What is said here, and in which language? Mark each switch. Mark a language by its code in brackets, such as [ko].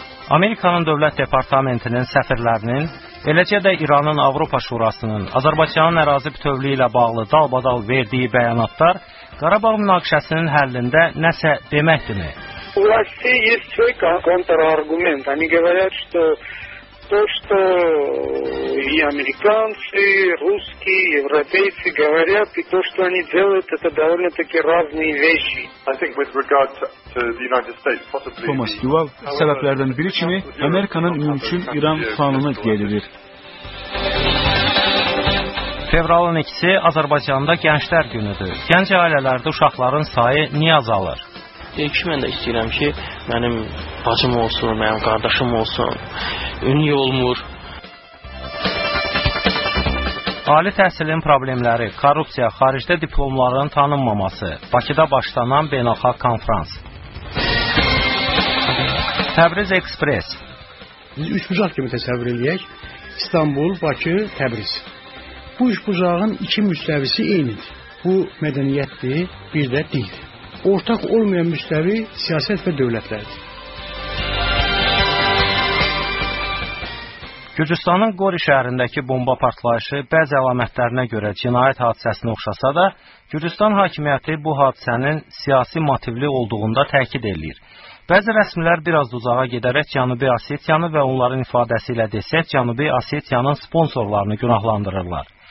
[az] Amerikanın Dövlət Departamentinin səfirlərinin, eləcə də İranın Avropa Şurasının Azərbaycanın ərazi bütövlüyü ilə bağlı dalbadal verdiyi bəyanatlar Qarabağ münaqişəsinin həllində nəsə deməkdirmi? [ru] У России есть свой контраргумент. Они говорят, что то, что и американцы, и русские, и европейцы говорят, и то, что они делают, это довольно-таки разные вещи. [en] I think with regard to... [az] Thomas Duval, səbəblərdən biri kimi Amerikanın mümkün İran planını gəlidir. Fevralın 2-si Azərbaycanda Gənclər Günüdür. Gənc ailələrdə uşaqların sayı niyə azalır? Deyir ki, mən də istəyirəm ki, mənim bacım olsun, mənim qardaşım olsun, ünlü olmur. Ali təhsilin problemləri, korrupsiya, xaricdə diplomların tanınmaması, Bakıda başlanan beynəlxalq konferans. Təbriz Ekspres. Biz üç bucaq kimi təsəvvür edək, İstanbul, Bakı, Təbriz. Bu üç bucağın iki müstəvisi eynidir. Bu mədəniyyətdir, bir də dildir. Ortak olmayan müstəvi siyaset ve devletlerdir. Gürcüstanın Qori şəhərindəki bomba partlayışı bəzi əlamətlərinə görə cinayət hadisəsinə oxşasa da, Gürcüstan hakimiyyəti bu hadisənin siyasi motivli olduğunda təkid edir. Bəzi rəsmilər biraz uzağa gedərək Cənubi Asetiyanı və onların ifadəsi ilə desək Cənubi Asetiyanın sponsorlarını günahlandırırlar.